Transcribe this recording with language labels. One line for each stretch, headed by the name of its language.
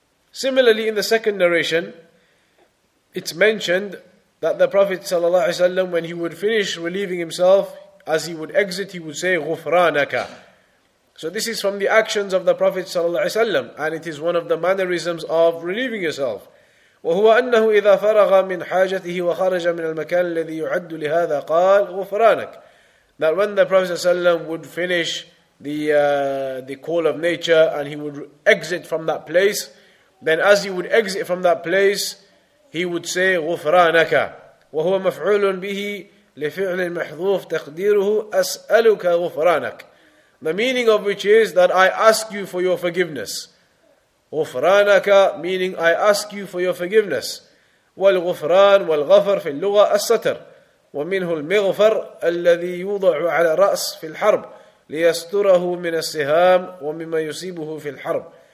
English: Similarly, in the second narration, it's mentioned that the Prophet ﷺ, when he would finish relieving himself, as he would exit, he would say, Ghufranaka. So this is from the actions of the Prophet ﷺ, and it is one of the mannerisms of relieving yourself.
Arabic: وهو أنه إذا فرغ من حاجته وخرج من المكان الذي يعد لهذا قال غفرانك.
English: That when the Prophet ﷺ would finish the call of nature and he would exit from that place, then as he would exit from that place, he would say غفرانك.
Arabic: وهو مفعول به لفعل محذوف تقديره أسألك غفرانك.
English: The meaning of which is that I ask you for your forgiveness. غُفْرَانَكَ, meaning I ask you for your forgiveness.
Arabic: وَالْغُفْرَانْ وَالْغَفَرْ فِي اللُّغَةِ السَّتَرْ وَمِنْهُ الْمِغْفَرْ الَّذِي يُوضَعُ عَلَى الرَّأْسِ فِي الْحَرْبِ لِيَسْتُرَهُ مِنَ السِّهَامِ وَمِمَّا يُصِيبُهُ فِي الْحَرْبِ.